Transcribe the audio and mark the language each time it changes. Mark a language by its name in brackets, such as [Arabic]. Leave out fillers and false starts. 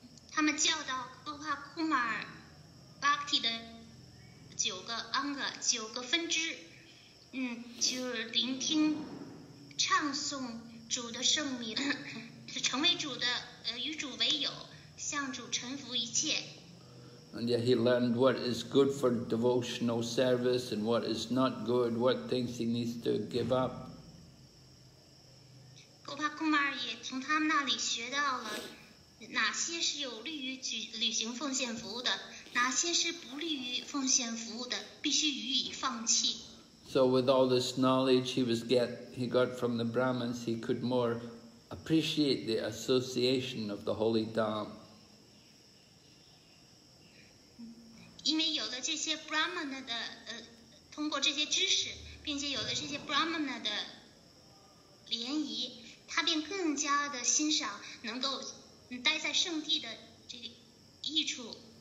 [Chinese] 他们教导Gopakumar Bhakti的九个anga，九个分支，就是聆听、唱诵主的圣名，成为主的与主为友，向主臣服一切。 [English] And yet he learned what is good for devotional service and what is not good, what things he needs to give up. [Chinese] Gopakumar 也从他们那里学到了哪些是有利于履行奉献服务的，哪些是不利于奉献服务的，必须予以放弃。 [English] So with all this knowledge he got from the Brahmins, he could more appreciate the association of the Holy Dham. [Chinese] 因为有了这些Brahmana的，通过这些知识，并且有了这些Brahmana的联谊，他便更加的欣赏能够待在圣地的这个益处。